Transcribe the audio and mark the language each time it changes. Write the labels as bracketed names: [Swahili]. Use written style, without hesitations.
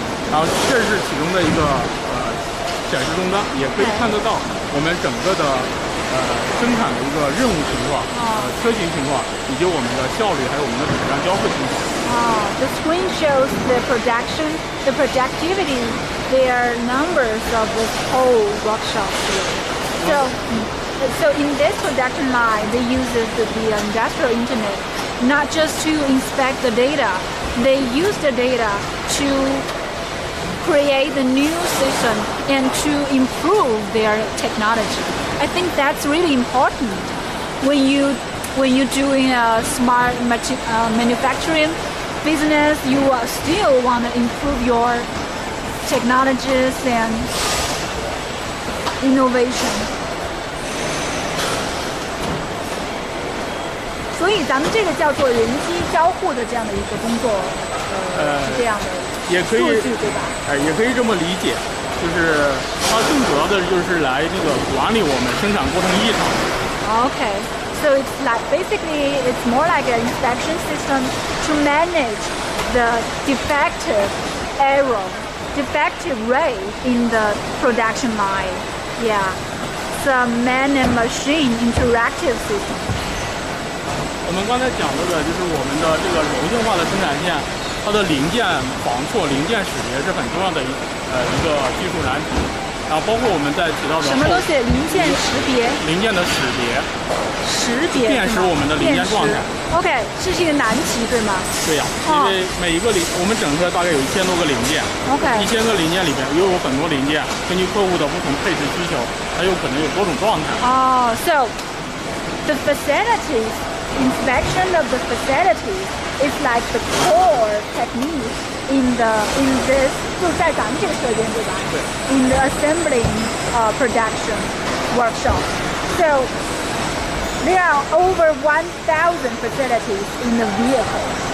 [Chinese] 然后这是其中的一个显示中单，也可以看得到我们整个的生产的一个任务情况、车型情况，以及我们的效率，还有我们的质量交付情况。 [English] The screen shows the production, the productivity, their numbers of this whole workshop here. So in this production line, they use the industrial internet, not just to inspect the data, they use the data to create the new system and to improve their technology. I think that's really important when you're doing a smart manufacturing,business, you still want to improve your technologies and innovation. [Chinese] 所以咱们这个叫做人机交互的这样的一个工作，是这样的，也可以数据对吧？也可以这么理解，就是它更主要的就是来那个管理我们生产过程异常。 [English] Okay. So it's like, basically, it's more like an inspection system to manage the defective rate in the production line. Yeah, it's a man and machine interactive system. [Chinese] 我们刚才讲到的就是我们的这个柔性化的生产线，它的零件防错、零件识别是很重要的一个技术难题。然后包括我们在提到的什么东西，零件识别，零件的识别，识别辨识我们的零件状态。 OK， 这是一个难题，对吗？对呀、因为每一个零，我们整个大概有1000多个零件。 [English] OK， [Chinese] 1000个零件里面又有很多零件，根据客户的不同配置需求，它有可能有多种状态。 [English] So the facilities inspection of the facilities is like the core technique. In this, [Chinese] 就在咱们这个车间对吧？对。 [English] In the assembling, production workshop, so there are over 1,000 facilities in the vehicle.